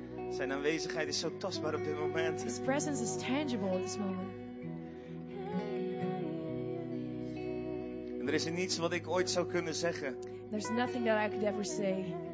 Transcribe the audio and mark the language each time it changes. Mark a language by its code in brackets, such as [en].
[nl] Zijn aanwezigheid is zo tastbaar op dit moment. [en] His presence is tangible at this moment. [nl] En er is niets wat ik ooit zou kunnen zeggen. [en] There's nothing that I could ever say.